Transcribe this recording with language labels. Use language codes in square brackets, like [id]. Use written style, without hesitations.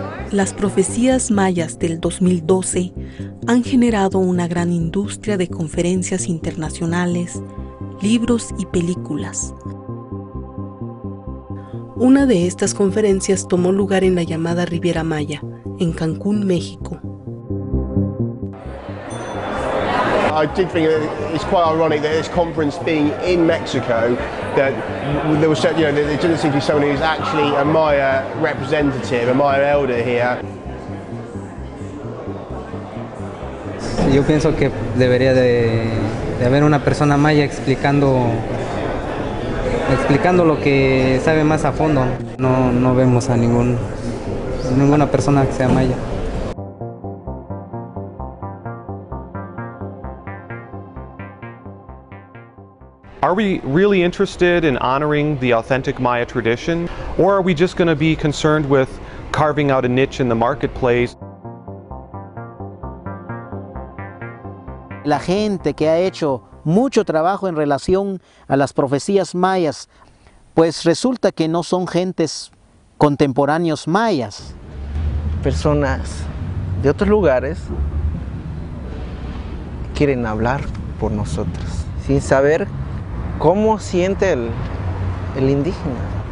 [es] Las profecías mayas del 2012 han generado una gran industria de conferencias internacionales, libros y películas. Una de estas conferencias tomó lugar en la llamada Riviera Maya, en Cancún, México. [en] I did think that it's quite ironic that this conference being in Mexico, that there was, you know, there didn't seem to be someone who's actually a Maya representative, a Maya elder here. [es] Yo pienso que debería de haber una persona maya explicando lo que sabe más a fondo. No vemos a ninguna persona que sea maya. [en] Are we really interested in honoring the authentic Maya tradition, or are we just going to be concerned with carving out a niche in the marketplace? [es] La gente que ha hecho mucho trabajo en relación a las profecías mayas, pues resulta que no son gentes contemporáneos mayas. Personas de otros lugares quieren hablar por nosotros, sin saber cómo siente el indígena.